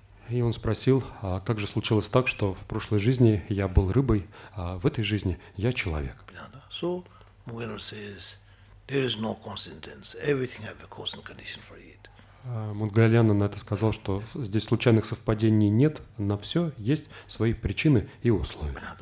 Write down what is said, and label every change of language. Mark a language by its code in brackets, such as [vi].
[ru] И он спросил, а как же случилось так, что в прошлой жизни я был рыбой, а в этой жизни я человек? [en] Mugana says there is no coincidence. Everything has a cause and condition for it. [ru] Мудгалена на это сказал, что здесь случайных совпадений нет, на все есть свои причины и условия.